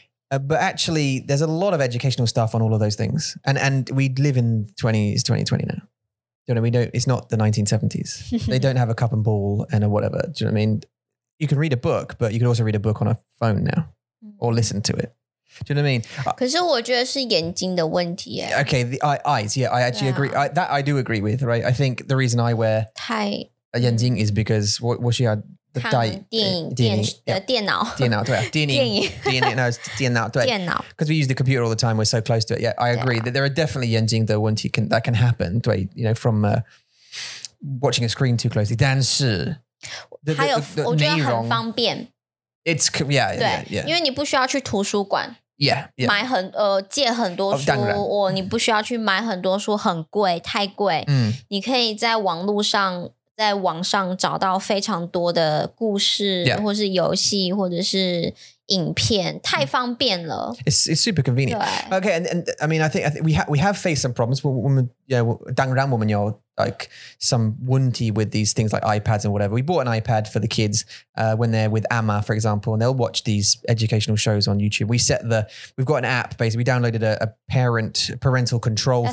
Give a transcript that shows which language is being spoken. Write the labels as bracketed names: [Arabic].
[English] But actually, there's a lot of educational stuff on all of those things. And we live in 2020 now. You know, it's not the 1970s. They don't have a cup and ball and a whatever. Do you know what I mean? You can read a book, but you can also read a book on a phone now or listen to it. you know what I mean? [Chinese] 可是我觉得是眼睛的问题耶。 [English] Okay, the eyes, yeah, I actually agree. I, that I do agree with, right? I think the reason I wear [Chinese] 太眼睛 [English] is because [Chinese] 我需要看电影电脑电脑对啊电影电影 [English] no, [Chinese] 电脑对电脑 [English] because we use the computer all the time, we're so close to it. Yeah, I agree that there are definitely [Chinese] 眼睛的问题 [English] that can happen, [Chinese] 对 [English] you know, from watching a screen too closely. [Chinese] 但是还有我觉得很方便 [English] it's, yeah, yeah, yeah. [Chinese] 因为你不需要去图书馆 [English] yeah, yeah. [Chinese] 买很借很多书、你不需要去买很多书很贵太贵、你可以在网络上在网上找到非常多的故事、 [English] yeah. [Chinese] 或是游戏或者是影片太方便了 [English] it's super convenient okay and I mean I think we have faced some problems [Chinese] 当然我们有 [English] like some [Chinese] 问题 [English] with these things like iPads and whatever we bought an iPad for the kids when they're with Amma for example and they'll watch these educational shows on YouTube we've got an app basically we downloaded a parental control